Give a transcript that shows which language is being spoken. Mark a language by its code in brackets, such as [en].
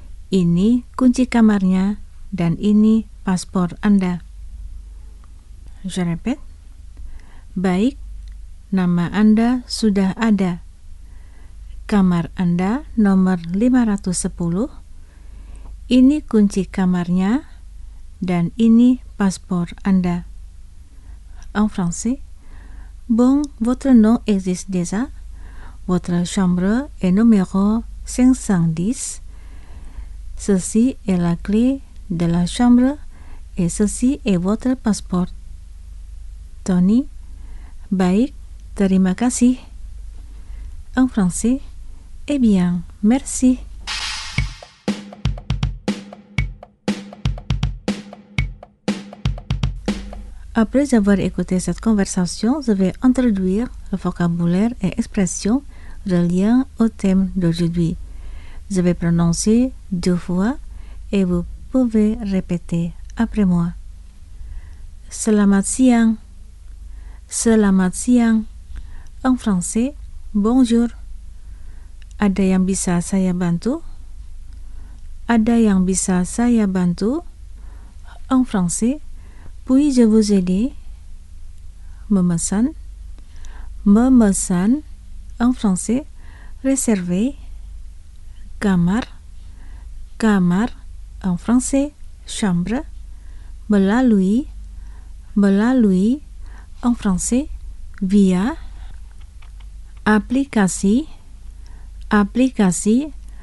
[id] Ini kunci kamarnya dan ini paspor Anda. [fr] Je répète. [id] Baik, nama Anda sudah ada. Kamar Anda nomor 510. Ini kunci kamarnya dan ini paspor Anda. [fr] En français. Bon, votre nom existe déjà? Votre chambre est numéro 510. Ceci est la clé de la chambre et ceci est votre passeport. [id] Tony, baik, terima kasih. [fr] En français, eh bien, merci. Après avoir écouté cette conversation, je vais introduire le vocabulaire et expressions reliant au thème d'aujourd'hui. Je vais prononcer deux fois et vous pouvez répéter après moi. [id] Selamat siang. Selamat siang. [fr] En français, bonjour. [id] Ada yang bisa saya bantu? Ada yang bisa saya bantu? [fr] En français, puis-je vous aider? [id] Memesan. Memesan. [fr] En français, réserver. [id] Kamar, kamar, [fr] en français, chambre, [id] melalui, melalui, [fr] en français, via, [id] aplikasi, aplikasi,